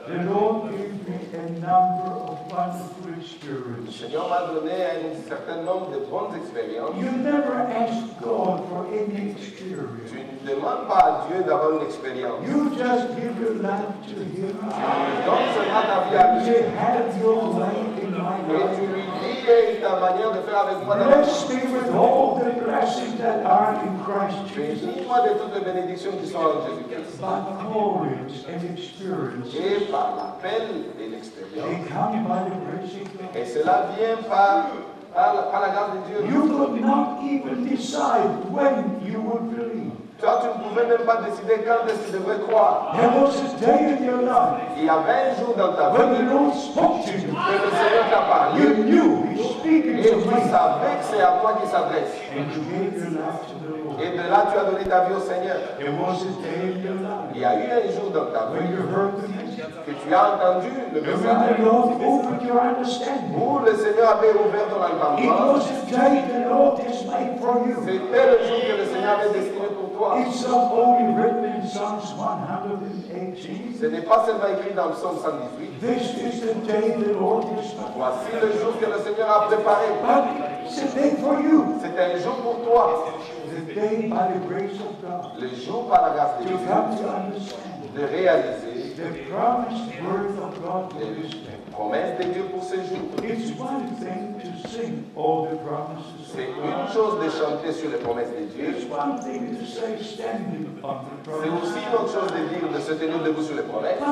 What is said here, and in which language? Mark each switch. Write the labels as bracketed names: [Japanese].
[English] the Lord gave me a number of wonderful experiences. [French] Le Seigneur m'a donné un certain nombre de bonnes expériences. [English] You never ask God for any experience. [French] Tu ne demandes pas à Dieu d'avoir une expérience. [English] You just give your life to Him. [French] Donc seulement ta vie à Dieu. [English] You have your life in my life. [French] Et tu lui lis ta manière de faire avec moi. [English] Bless me with all the blessings that are in Christ Jesus. [French] Bénis-moi de toutes les bénédictions qui sont en Jésus. [English] By courage and experience. [French] Et par l'appel et l'expérience. [English] They come by the grace of God. [French] Et cela vient par la grâce de Dieu. [English] You could not even decide when you would believe. [French] Toi, tu ne pouvais même pas décider quand est-ce que tu devrais croire. [English] There was a day in your life. [French] Il y avait un jour dans ta vie. [English] When the Lord spoke to you. [French] Que le Seigneur t'a parlé. [English] You knew He's speaking to you. [French] Et tu savais que c'est à toi qu'il s'adresse. [English] And you gave your life to the Lord. [French] Et de là, tu as donné ta vie au Seigneur. [English] There was a day in your life. [French] Il y a eu un jour dans ta vie. [English] When you heard the message. [French] Que tu as entendu le message. [English] And when the Lord opened your understanding. [French] Où le Seigneur avait ouvert ton entendement. [English] It was a day the Lord has made for you. [French] C'était le jour que le Seigneur avait destiné pour toi. [English] It's not only written in Psalms 118. [French] Ce n'est pas seulement écrit dans le Psaume 118. [English] This is the day the Lord has made. [French] Voici le jour que le Seigneur a préparé. [English] But it's a day for you. [French] C'est un jour pour toi. [English] The day by the grace of God. [French] Le jour par la grâce de Dieu. [English] To come to understand. [French] De réaliser. [English] The promised word of God for this day. [French] Promesse de Dieu pour ce jour. [English] It's one thing to sing all the promises. [French] C'est une chose de chanter sur les promesses de Dieu. [English] It's one thing to say standing on the promises. [French] C'est aussi une autre chose de dire, de se tenir debout sur les promesses.